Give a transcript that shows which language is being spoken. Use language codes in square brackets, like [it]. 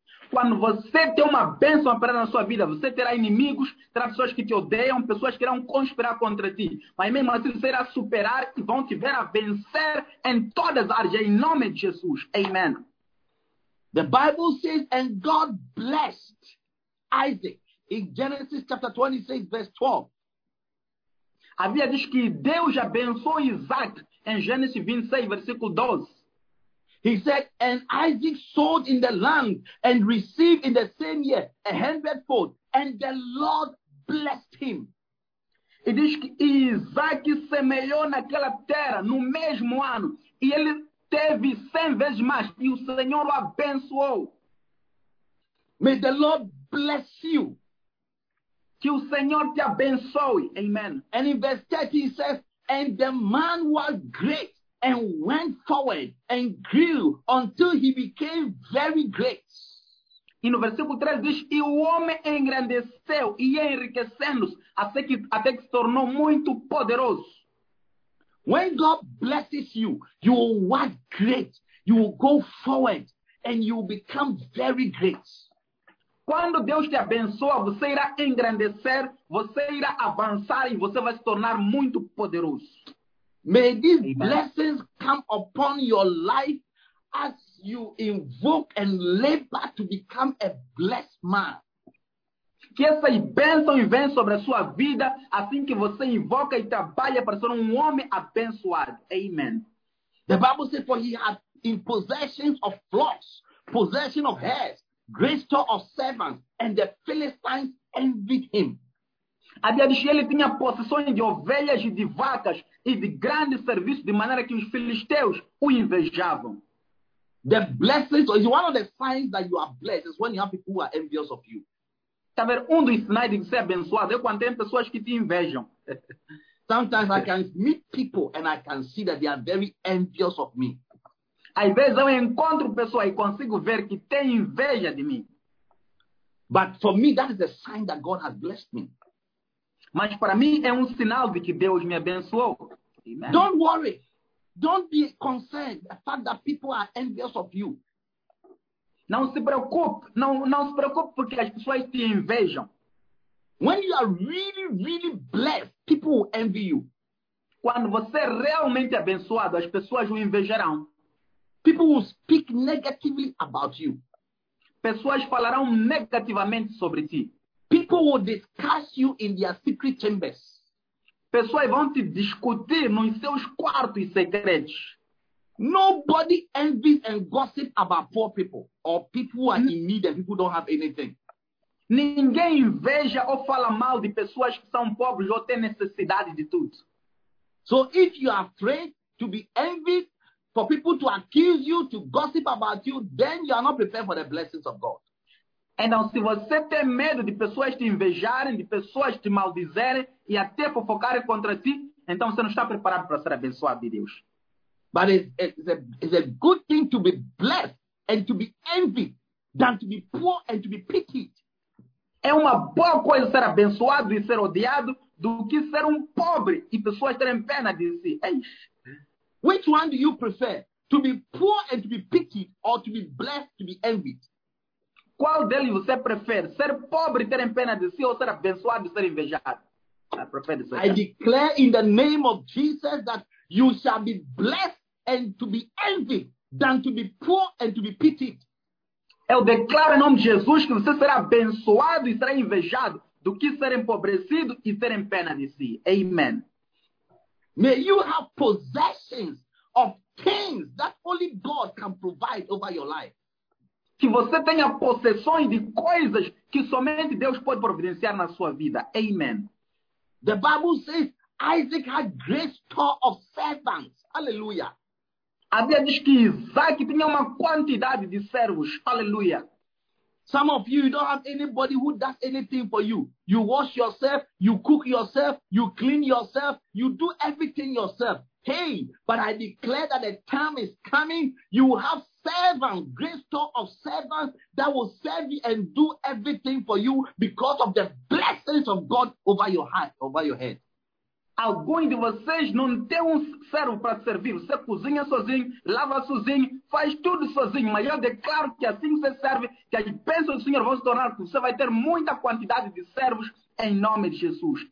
[pt] Quando você tem uma bênção operada na sua vida, você terá inimigos, terá pessoas que te odeiam, pessoas que irão conspirar contra ti. Mas mesmo assim, você irá superar e vão te ver a vencer em todas as áreas, em nome de Jesus. Amen. [en] The Bible says, and God blessed Isaac in Genesis chapter 26, verse 12. [pt] A Bíblia diz que Deus abençoou Isaac em Gênesis 26, versículo 12. [en] He said, and Isaac sowed in the land and received in the same year a hundredfold, and the Lord blessed him. [pt] E diz que Isaac semeou naquela terra no mesmo ano, e ele teve 100 vezes mais, e o Senhor o abençoou. [en] May the Lord bless you. [pt] Que o Senhor te abençoe. Amen. [en] And in verse 30 he says, and the man was great, and went forward and grew until he became very great. [pt] E no versículo 3 diz, e o homem engrandeceu e enriquecendo-se até que se tornou muito poderoso. [en] When God blesses you, you will work great. You will go forward and you will become very great. [pt] Quando Deus te abençoa, você irá engrandecer, você irá avançar e você vai se tornar muito poderoso. [en] May these blessings come upon your life as you invoke and labor to become a blessed man. [pt] Que essas bênçãos venham sobre a sua vida assim que você invoca e trabalha para ser homem abençoado. Amen. [en] The Bible says, for he had in possession of flocks, possession of herds, great store of servants, and the Philistines envied him. [pt] A Bíblia diz que ele tinha possessões de ovelhas e de vacas e de grande serviço, de maneira que os filisteus o invejavam. [en] The blessings is one of the signs that you are blessed is when you have people who are envious of you. [pt] Tá vendo? Dos sinais de ser abençoado é quando tem pessoas que te invejam. [en] Sometimes I can meet people and I can see that they are very envious of me. [pt] Às vezes eu encontro pessoas e consigo ver que tem inveja de mim. [en] But for me, that is a sign that God has blessed me. [pt] Mas para mim é sinal de que Deus me abençoou. Amen. [en] Don't worry. Don't be concerned the fact that people are envious of you. [pt] Não se preocupe, não se preocupe porque as pessoas têm inveja. [en] When you are really, really blessed, people will envy you. [pt] Quando você é realmente abençoado, as pessoas o invejarão. [en] People will speak negatively about you. [pt] Pessoas falarão negativamente sobre ti. [en] People will discuss you in their secret chambers. [pt] Pessoas vão te discutir nos seus quartos secretos. [en] Nobody envies and gossips about poor people or people who are in need and people don't have anything. [pt] Ninguém inveja ou fala mal de pessoas que são pobres ou têm necessidade de tudo. [en] So if you are afraid to be envied, for people to accuse you, to gossip about you, then you are not prepared for the blessings of God. [pt] Então, se você tem medo de pessoas te invejarem, de pessoas te maldizerem e até fofocarem contra ti, então você não está preparado para ser abençoado de Deus. [en] But it's a good thing to be blessed and to be envied than to be poor and to be pitied. [pt] É uma boa coisa ser abençoado e ser odiado do que ser pobre e pessoas terem pena de si. [en] Which one do you prefer? To be poor and to be pitied or to be blessed to be envied? [pt] Qual deles você prefere? Ser pobre e terem pena de si ou ser abençoado e ser invejado? [en] I declare in the name of Jesus that you shall be blessed and to be envied than to be poor and to be pitied. [pt] Eu declaro em nome de Jesus que você será abençoado e será invejado do que ser empobrecido e ter pena de si. Amen. [en] May you have possessions of things that only God can provide over your life. [pt] Que você tenha possessões de coisas que somente Deus pode providenciar na sua vida. Amen. [en] The Bible says Isaac had great store of servants. Hallelujah. [pt] A Bíblia diz que Isaac tinha uma quantidade de servos. Hallelujah. [en] Some of you, you don't have anybody who does anything for you. You wash yourself, you cook yourself, you clean yourself, you do everything yourself. Hey, but I declare that the time is coming. You will have servants, great store of servants that will serve you and do everything for you because of the blessings of God over your heart, over your head. [pt] Alguns de vocês não têm servo para servir. Você cozinha sozinho, lava sozinho, faz tudo sozinho. Mas eu declaro que assim você serve, que as bênçãos do Senhor vão se tornar, que você vai ter muita quantidade de servos em nome de Jesus.